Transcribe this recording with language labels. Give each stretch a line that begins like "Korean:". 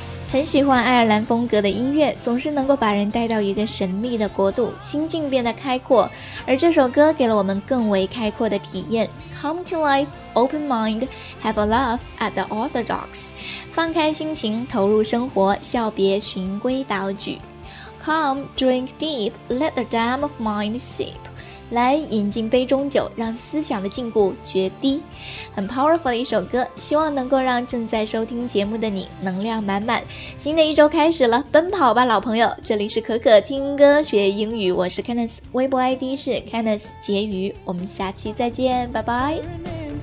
Chinese: 很喜欢爱尔兰风格的音乐，总是能够把人带到一个神秘的国度，心境变得开阔，而这首歌给了我们更为开阔的体验。
English: Come to life, open mind, have a laugh at the orthodox.
Chinese: 放开心情，投入生活，笑别循规蹈矩。
English: Come, drink deep, let the dam of mind seep.
Chinese: 来饮尽杯中酒，让思想的禁锢决堤。很 powerful 的一首歌，希望能够让正在收听节目的你能量满满。新的一周开始了，奔跑吧老朋友，这里是可可听歌学英语，我是 Candice， 微博 ID 是 Candice 婕妤，我们下期再见，拜拜。